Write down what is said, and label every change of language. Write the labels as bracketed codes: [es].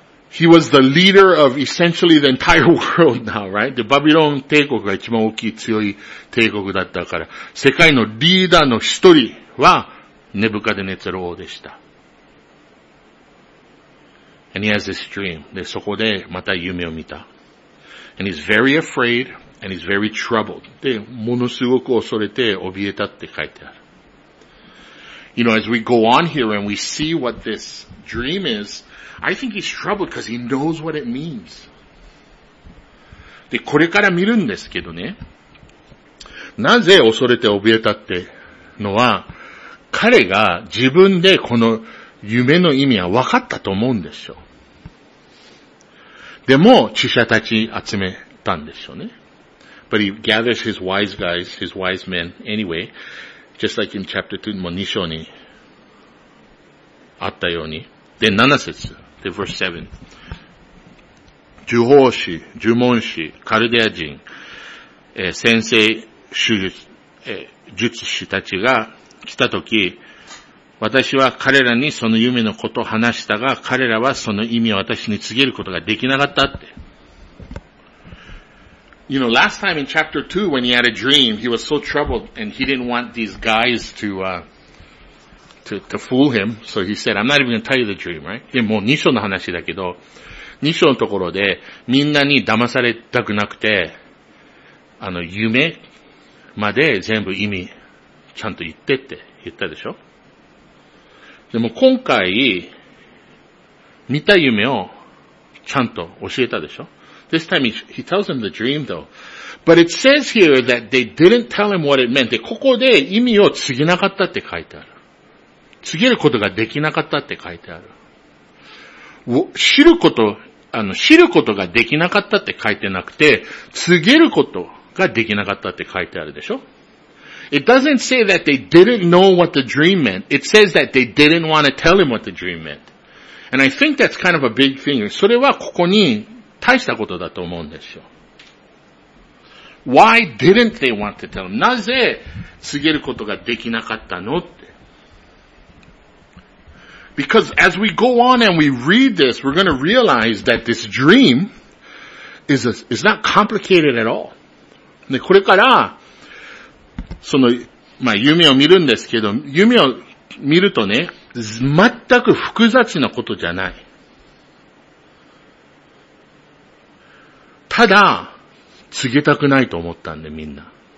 [en] He was the leader of essentially the entire world now, right? [ja] で、バビロン帝国が一番大きい強い帝国だったから、世界のリーダーの一人はネブカデネツァル王でした。 [en] And he has this dream. [ja] で、そこでまた夢を見た。 [en] And he's very afraid and he's very troubled. [ja] で、ものすごく恐れて怯えたって書いてある。 [en] You know, as we go on here and we see what this dream is,I think he's troubled because he knows what it means. [ja] で、これから見るんですけどね。なぜ恐れて怯えたってのは、彼が自分でこの夢の意味は分かったと思うんでしょう。でも、知者たち集めたんでしょうね。 [en] But he gathers his wise guys, his wise men anyway, just like in chapter 2, [ja] もう2章にあったように。で、7節。で、 [en] verse 7。 [ja] 呪法師、呪文師、カルデア人、先生、手術、術師たちが来たとき、私は彼らにその夢のことを話したが、彼らはその意味を私に告げることができなかったって。 [en] You know, last time in chapter 2, when he had a dream, he was so troubled and he didn't want these guys to fool him, so he said, I'm not even going to tell you the dream, right? [ja] でも、2章の話だけど、2章のところで、みんなに騙されたくなくて、あの、夢まで全部意味、ちゃんと言ってって言ったでしょ? でも、今回、見た夢をちゃんと教えたでしょ。 [en] This time he tells him the dream though. But it says here that they didn't tell him what it meant. [ja] で、ここで意味を告げなかったって書いてある。告げることができなかったって書いてある。知ることができなかったって書いてなくて、告げることができなかったって書いてあるでしょ。 [en] It doesn't say that they didn't know what the dream meant. It says that they didn't want to tell him what the dream meant. And I think that's kind of a big thing. [ja] それはここに大したことだと思うんですよ。 [en] Why didn't they want to tell him? [ja] なぜ告げることができなかったのって。 [en] Because as we go on and we read this, we're going to realize that this dream is not complicated at all. [ja] で、これから、その、まあ、夢を見るんですけど、夢を見るとね、全く複雑なことじゃない。ただ、告げたくないと思ったんで、みんな。